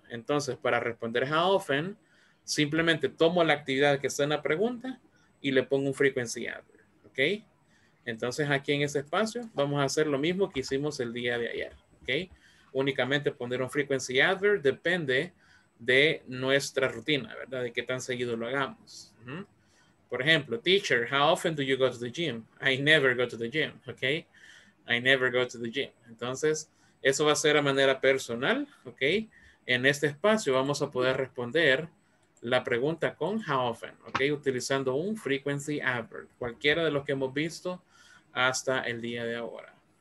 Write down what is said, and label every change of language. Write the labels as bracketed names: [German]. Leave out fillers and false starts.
[Spanish] Entonces, para responder how often, simplemente tomo la actividad que está en la pregunta y le pongo un frequency adverb, ¿ok? Entonces, aquí en este espacio, vamos a hacer lo mismo que hicimos el día de ayer, ¿ok? Únicamente poner un frequency adverb depende de nuestra rutina, ¿verdad? De qué tan seguido lo hagamos. Por ejemplo, [English] teacher, how often do you go to the gym? I never go to the gym, ¿ok? I never go to the gym. [Spanish] Entonces, eso va a ser a manera personal, ¿ok? En este espacio vamos a poder responder la pregunta con how often, ¿ok? Utilizando un frequency adverb, cualquiera de los que hemos visto hasta el día de ahora.